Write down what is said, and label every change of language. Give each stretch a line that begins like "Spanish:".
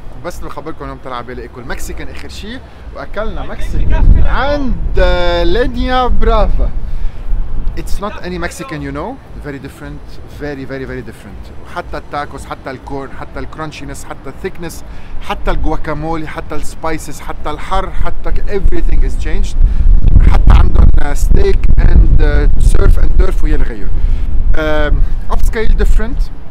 Arabic: بس بخبركم يوم طلع بالي اكل مكسيكان اخر شيء، واكلنا مكسيكان عند لينيا برافا.
English: It's not any Mexican you know. Very different. Very very very different.
Arabic: حتى التاكوس، حتى الكورن، حتى الكرانشينس، حتى الثيكنس، حتى الجواكامولي، حتى السبايسز، حتى الحر، حتى
English: everything is changed.
Arabic: حتى عندهم ستيك اند سيرف اند تيرف ويا الغير.
English: Upscale different.